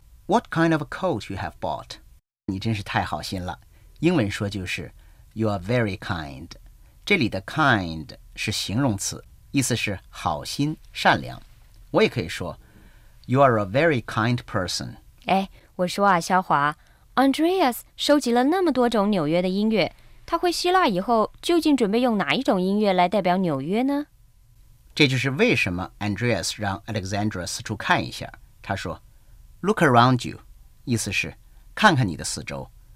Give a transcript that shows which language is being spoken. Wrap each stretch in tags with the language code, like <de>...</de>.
<en>What kind of a coat you have bought?</en> <zh>你真是太好心了。英文说就是</zh> <en>You are very kind.</en> <zh>这里的 kind 是形容词，意思是好心、善良。我也可以说</zh> <en>You are a very kind person.</en> <zh>哎，我说啊，肖华， Andreas 收集了那么多种纽约的音乐，他会希腊以后究竟准备用哪一种音乐来代表纽约呢？这就是为什么 Andreas 让 Alexandra 四处看一下。他说</zh> <en>Look around you，</en> <zh>意思是看看你的四周。</zh>